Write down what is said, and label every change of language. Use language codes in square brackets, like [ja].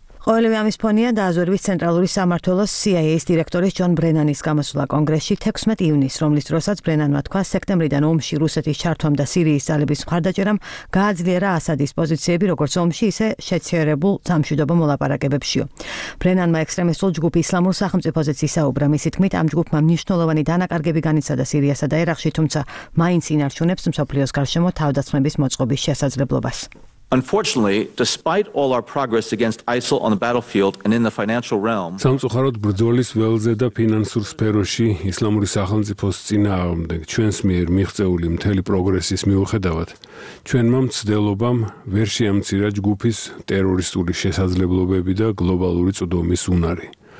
[ka] ყოველივე ამის ფონია დააზვერვის ცენტრალური სამართველოს CIA-ის დირექტორის ჯონ ბრენანის გამოსვლა კონგრესში 16 ივნისს, რომლის დროსაც ბრენანმა თქვა, სექტემბრიდან ომში რუსეთის ჩართვამ და სირიის ძალების მხარდაჭერამ გააძლიერა ასადის პოზიციები როგორც ომში, ისე შეცერებულ სამშვიდობო მოლაპარაკებებშიო. ბრენანმა ექსტრემისტულ ჯგუფ ისლამურ სახელმწიფოზე ცისაუბრა. მისი თქმით, ამ ჯგუფმა მნიშვნელოვანი დანაკარგები განიცადა სირიასა და ერაყში, თუმცა მაინც ინარჩუნებს მსოფლიოს გარშემო თავდასხმების მოწყობის შესაძლებლობას. [en] Unfortunately, despite all our progress against ISIL on the battlefield and in the financial realm, [ka] სამწუხაროდ ბრძოლის ველზე და ფინანსურ სფეროში ისლამური სახელმწიფოს წინააღმდეგ ჩვენს მიერ მიღწეული მთელი პროგრესის მიუხედავად, ჩვენმა მცდელობამ ვერ შეამცირა ჯგუფის ტერორისტული შესაძლებლობები და გლობალური წვდომის უნარი.